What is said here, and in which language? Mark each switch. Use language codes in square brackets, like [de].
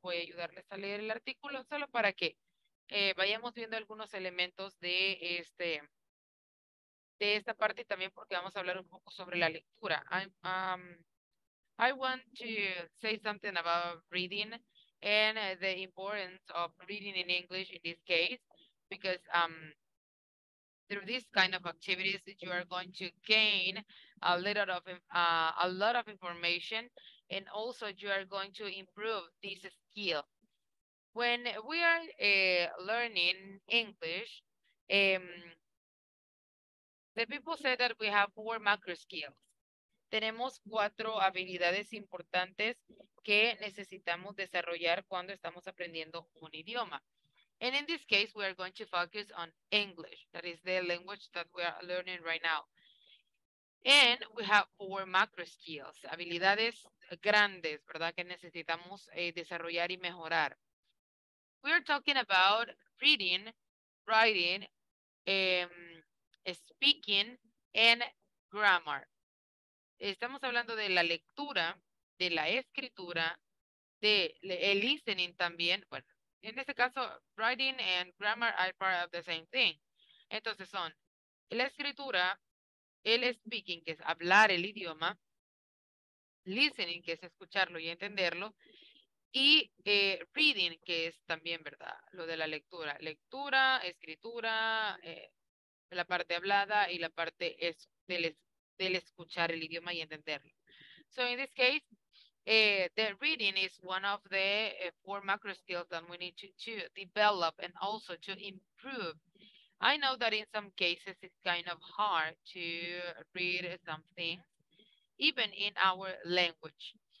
[es] Voy a ayudarles a leer el artículo solo para que vayamos viendo algunos elementos de este de esta parte y también porque vamos a hablar un poco sobre la lectura. [en] I want to say something about reading and the importance of reading in English in this case because through this kind of activities you are going to gain a lot of information and also you are going to improve this skill. When we are learning English, the people say that we have 4 macro skills. [es] Tenemos 4 habilidades importantes que necesitamos desarrollar cuando estamos aprendiendo un idioma. [en] And in this case, we are going to focus on English. That is the language that we are learning right now. And we have 4 macro skills, [es] habilidades grandes, ¿verdad? Que necesitamos desarrollar y mejorar. [en] We are talking about reading, writing, speaking, and grammar. [es] Estamos hablando de la lectura, de la escritura, de el listening también. Bueno, en este caso, [en] writing and grammar are part of the same thing. [es] Entonces son la escritura, el speaking, que es hablar el idioma, listening, que es escucharlo y entenderlo, y reading, que es también, ¿verdad?, lo de la lectura. Lectura, escritura, la parte hablada y la parte es del escuchar el idioma y entenderlo. [en] So, in this case, the reading is one of the 4 macro skills that we need to develop and also to improve. I know that in some cases it's kind of hard to read something, even in our language.